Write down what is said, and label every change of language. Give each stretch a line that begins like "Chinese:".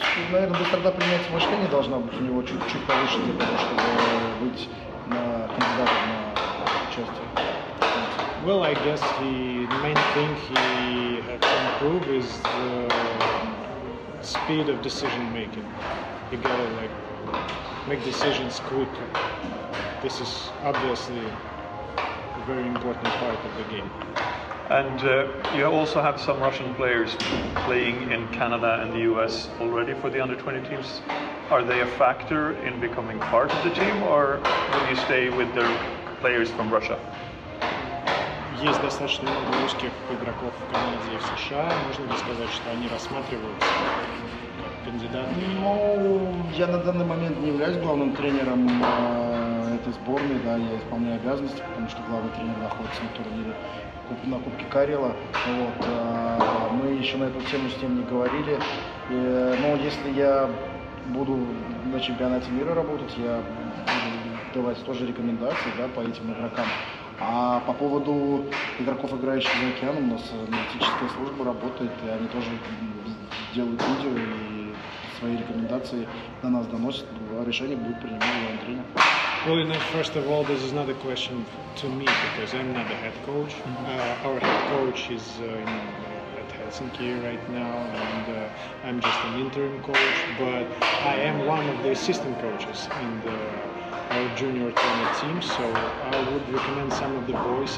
Russian: Наверное, быстрота принятия мышления должна быть у него чуть-чуть повыше, для того, чтобы быть кандидатом на участие.
English: Well, I guess the main thing he has to improve is the speed of decision making. You gotta like make decisions quick. This is obviously a very important part of the game. And you also have some Russian players playing in Canada and the US already for the under 20 teams. Are they a factor in becoming part of the team, or will you stay with the players from Russia?
Russian: Есть достаточно много русских игроков в Канаде и в США. Можно ли сказать, что они рассматриваются как кандидаты? Ну, я на данный момент не являюсь главным тренером этой сборной. Да, я исполняю обязанности, потому что главный тренер находится на турнире на Кубке Карела. Вот, мы еще на эту тему с ним не говорили. Но если я буду на чемпионате мира работать, я буду давать тоже рекомендации, да, по этим игрокам. А по поводу игроков, играющих за океаном, у нас аналитическая служба работает, и они тоже делают видео и свои рекомендации на нас доносят, а решение будет принимать главный тренер.
English: Well, you know, first of all, this is not a question to me, because I'm not the head coach. Our head coach is at Helsinki right now, and I'm just an interim coach, but I am one of the assistant coaches in the our junior tournament team, so I would recommend some of the boys.